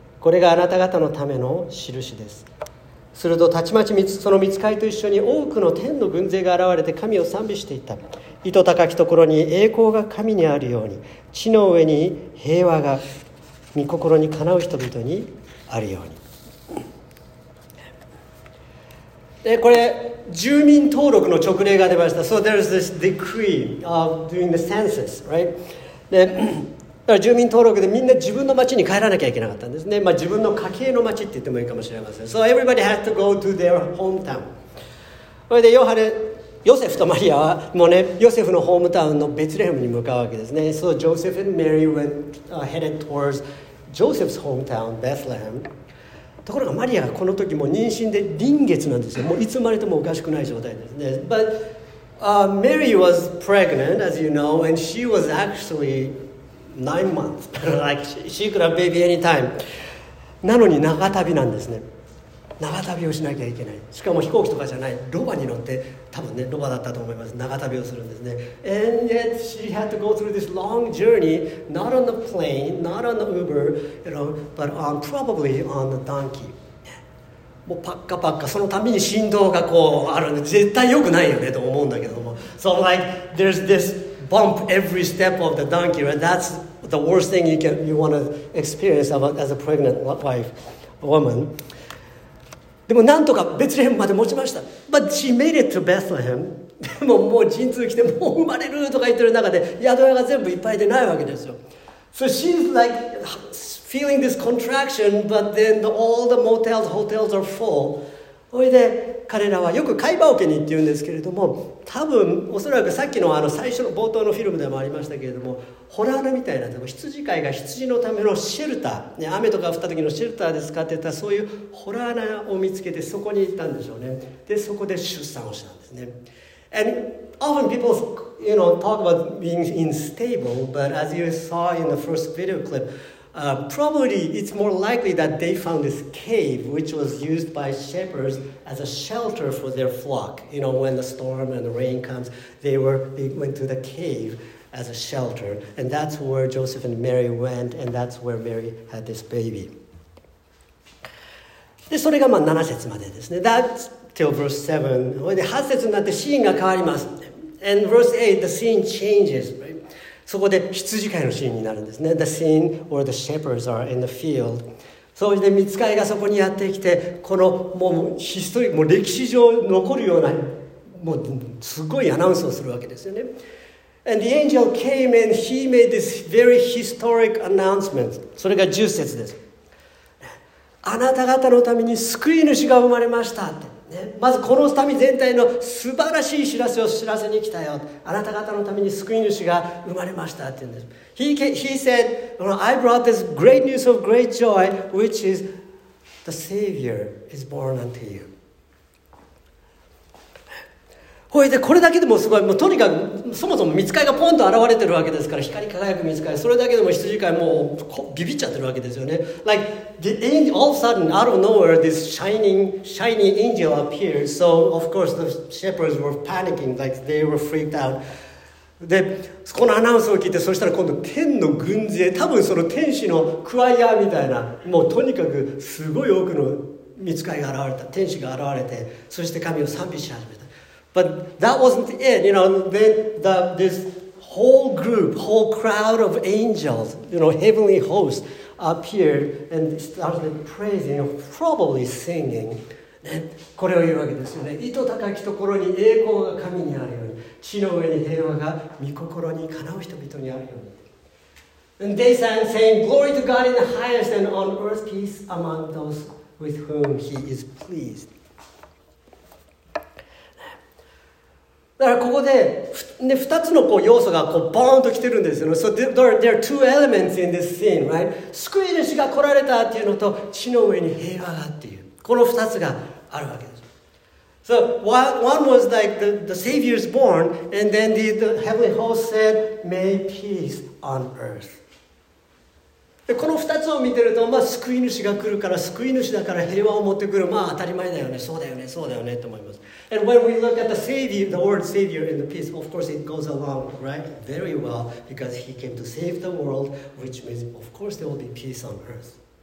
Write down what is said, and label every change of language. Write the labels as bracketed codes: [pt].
[ja] これがあなた方のための印です。するとたちまちその御使いと一緒に多くの天の軍勢が現れて神を賛美していた。糸高きところに栄光が神にあるように地の上に平和が御心にかなう人々にあるように。でこれ住民登録の勅令が出ました。 [en] So there's this decree of doing the census, right? [ja] でだから住民登録でみんな自分の町に帰らなきゃいけなかったんですね。まあ、自分の家系の町って言ってもいいかもしれません。 [en] So everybody had to go to their hometown. [ja] それでヨハネ、ヨセフとマリアはもうね、ヨセフのホームタウンのベツレヘムに向かうわけですね。 [en] So Joseph and Mary went, headed towards Joseph's hometown, Bethlehem. [ja] ところがマリアはこの時もう妊娠で臨月なんですよ。もういつまでともおかしくない状態ですね。 [en] ButMary was pregnant, as you know, and she was actually 9 months. Like she could have baby anytime. [ja] なのに長旅なんですね。長旅をしなきゃいけない。しかも飛行機とかじゃない。ロバに乗って、多分ね、ロバだったと思います。長旅をするんですね。 [en] And yet she had to go through this long journey, not on the plane, not on the Uber, you know, but on, probably on the donkey. [ja] もうパッカパッカ、そのために振動がこうあるんで絶対良くないよねと思うんだけども。 [en] So like there's this bump every step of the donkey, right? That's the worst thing you want to experience as a pregnant wife, a woman. [ja] でもなんとかベツレヘムまで持ちました。 [en] But she made it to Bethlehem. [ja] でももう陣痛来てもう生まれるとか言ってる中で宿屋が全部いっぱいでないわけですよ。 [en] So she's likefeeling this contraction, but then all the motels, hotels are full. [ja] それで彼らはよく貝羽桶にって言うんですけれども、多分おそらくさっき の, あの最初の冒頭のフィルムでもありましたけれども、ホラーのみたいな、でも羊飼いが羊のためのシェルター、ね、雨とか降った時のシェルターで使ってた、そういうホラー穴を見つけてそこに行ったんでしょうね。で、そこで出産をしたんですね。 [en] And often people, you know, talk about being unstable, but as you saw in the first video clip,probably it's more likely that they found this cave which was used by shepherds as a shelter for their flock. You know, when the storm and the rain comes, they went to the cave as a shelter. And that's where Joseph and Mary went, and that's where Mary had this baby. [ja] で、それがまあ7節までですね。 [en] That's till verse 7. [ja] で、8節になってシーンが変わります。 [en] And verse 8, the scene changes. [ja] そこで羊飼いのシーンになるんですね。 [en] The scene where the shepherds are in the field. [ja] そして御使いがそこにやってきて、このもうヒストリー、もう歴史上残るような、もうすごいアナウンスをするわけですよね。 [en] And the angel came and he made this very historic announcement. [ja] それが10節です。あなた方のために救い主が生まれましたって。ね、まずこの民全体の素晴らしい知らせを知らせに来たよ。あなた方のために救い主が生まれましたって言うんです。 [en] He said, I brought this great news of great joy, which is the Savior is born unto you. [ja] ほいで、これだけでもすごい、もうとにかく、そもそも御使いがポンと現れてるわけですから、光り輝く御使い、それだけでも羊飼いもうビビっちゃってるわけですよね。 [en] Like, the angel, all of a sudden, out of nowhere, this shiny angel appeared. So, of course, the shepherds were panicking, like they were freaked out. [ja] で、このアナウンスを聞いて、そしたら今度、天の軍勢、多分その天使のクワイヤーみたいな、もうとにかくすごい多くの御使いが現れた、天使が現れて、そして神を賛美し始めた。 [en] But that wasn't the end, you know, this whole group, whole crowd of angels, you know, heavenly hosts appeared and started praising, probably singing. [ja] これを言うわけですよね。糸高きところに栄光が神にあるように、地の上に平和が御心にかなう人々にあるように。 [en] And they sang saying, glory to God in the highest and on earth peace among those with whom he is pleased. [ja] だからここで、ね、2つのこう要素がこうボーンと来てるんですよね。 [en] So there are two elements in this scene, right? [ja] 救い主が来られたっていうのと、地の上に平和がっていう。この2つがあるわけです。 [en] So one was like the Savior is born, and then the heavenly host said, May peace on earth. [ja] でこの2つを見てると、まあ、救い主が来るから、救い主だから平和を持ってくる。まあ当たり前だよね。そうだよね。そうだよね。と思います。 [en] And when we look at the Savior, the word Savior in the peace, of course it goes along, right? Very well, because he came to save the world, which means, of course, there will be peace on earth.